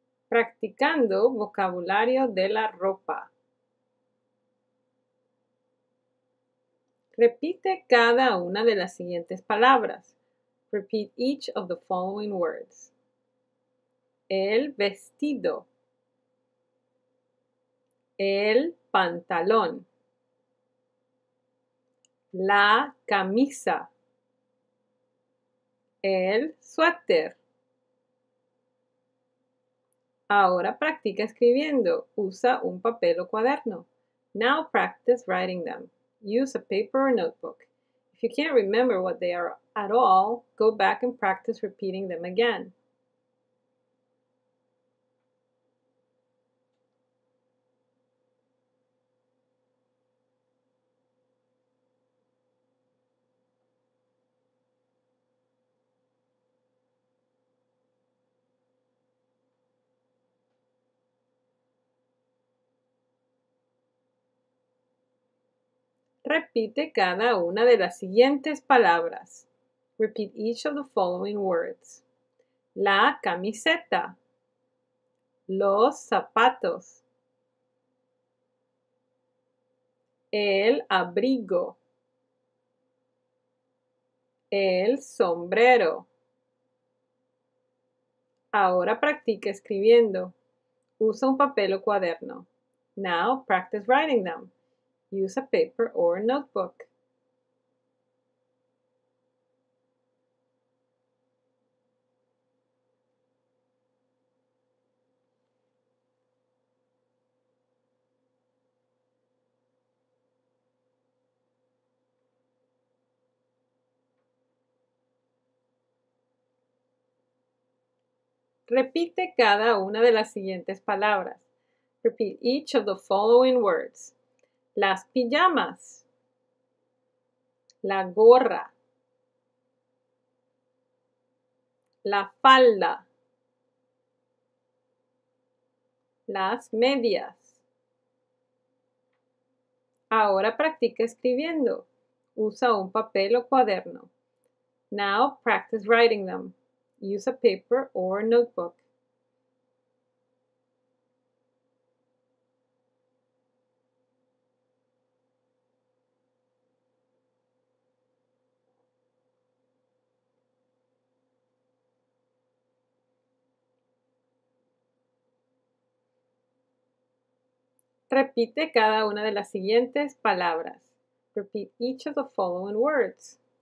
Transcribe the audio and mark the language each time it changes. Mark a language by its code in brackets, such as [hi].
[es] Aprendiendo vocabulario de la ropa. Repite cada una de las siguientes palabras. [en] Repeat each of the following words. [es] El vestido. El pantalón. La camisa. El suéter. Ahora practica escribiendo. Usa un papel o cuaderno. [en] Now practice writing them. Use a paper or notebook. If you can't remember what they are at all, go back and practice repeating them again. [es] Repite cada una de las siguientes palabras. [en] Repeat each of the following words. [es] La camiseta. Los zapatos. El abrigo. El sombrero. Ahora practica escribiendo. Usa un papel o cuaderno. [en] Now practice writing them. Use a paper or a notebook. [es] Repite cada una de las siguientes palabras. [en] Repeat each of the following words. [es] Las pijamas, la gorra, la falda, las medias. Ahora practica escribiendo. Usa un papel o cuaderno. [en] Now practice writing them. Use a paper or a notebook. [es] Repite cada una de las siguientes palabras. [en] Repeat each of the following words.